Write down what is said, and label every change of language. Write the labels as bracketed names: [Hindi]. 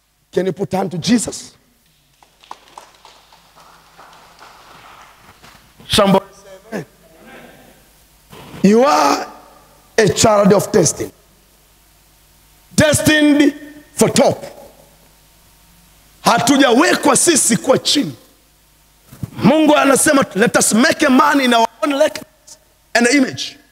[English] Can you put hand to Jesus? Somebody say amen. You are a child of destiny. Destined for top. [Swahili] Hatujawekwa sisi kwa chini. Mungu anasema, [English] let us make a man in our own likeness and image.